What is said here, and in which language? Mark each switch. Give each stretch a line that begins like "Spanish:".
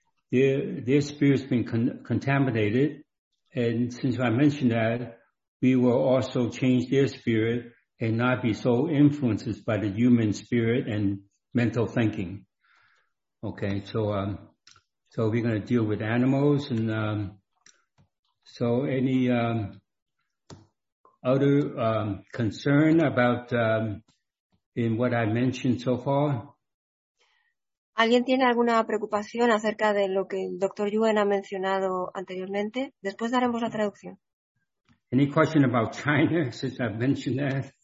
English: Their spirit's been contaminated. And since I mentioned that, we will also change their spirit and not be so influenced by the human spirit and mental thinking. Okay, so we're going to deal with animals. And so any other concern about in what I mentioned so far?
Spanish: ¿Alguien tiene alguna preocupación acerca de lo que el Dr. Yuen ha mencionado anteriormente? Después daremos la traducción.
English: Any question about China, since I've mentioned that?